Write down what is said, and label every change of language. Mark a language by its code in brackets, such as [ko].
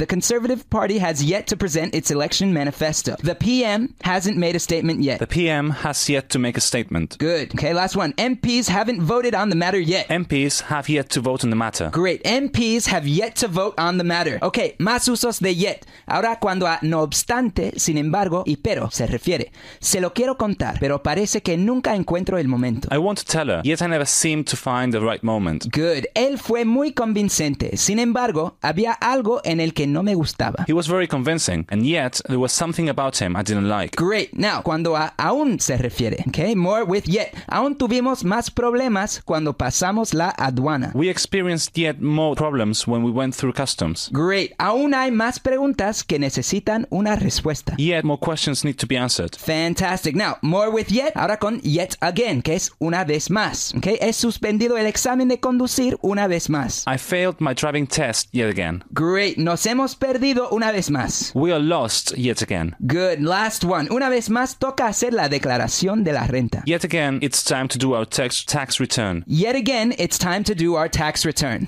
[en] The Conservative Party has yet to present its election manifesto. The PM hasn't made a statement yet. The PM has yet to make a statement. Good. Okay, last one. MPs haven't voted on the matter yet. MPs have yet to vote on the matter. Great. MPs have yet to vote on the matter. [es] Okay, más usos de yet. Ahora cuando a no obstante, sin embargo, y pero se refiere. Se lo quiero contar, pero parece que nunca encuentro el momento. [en] I want to tell her, yet I never seem to find the right moment. Good. [es] Él fue muy convincente. Sin embargo, había algo en el que no me gustaba. [en] He was very convincing, and yet there was something about him I didn't like. Great. Now, [es] cuando a aún se refiere. [en] Okay, more with yet. [es] Aún tuvimos más problemas cuando pasamos la aduana. [en] We experienced yet more problems when we went through customs. Great. [es] Aún hay más preguntas que necesitan una respuesta. [en] Yet more questions need to be answered. Fantastic. Now, more with yet. [es] Ahora con yet again, que es una vez más. Okay? He suspendido el examen de conducir una vez más. [en] I failed my driving test yet again. Great. [es] Nos hemos perdido una vez más. [en] We are lost yet again. Good. Last one. [es] Una vez más toca hacer la declaración de la renta. [en] Yet again, it's time to do our tax return. Yet again, it's time to do our tax return.